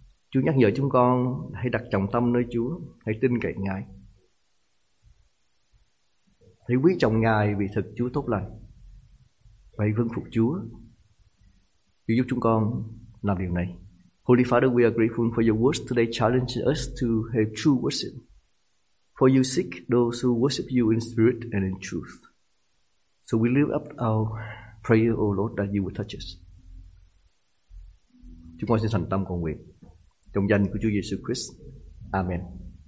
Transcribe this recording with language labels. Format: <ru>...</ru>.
<vi>Chúa nhắc nhở chúng con hãy đặt trọng tâm nơi Chúa, hãy tin cậy Ngài, hãy quý trọng Ngài vì thật Chúa tốt lành, hãy vâng phục Chúa. Chúa giúp chúng con làm điều này.</vi> <en>Holy Father, we are grateful for your words today challenging us to have true worship. For you seek those who worship you in spirit and in truth. So we lift up our prayer, O Lord, that you will touch us.</en> <vi>Chúng con xin thành tâm cầu nguyện trong danh của Chúa Giêsu Christ. Amen.</vi>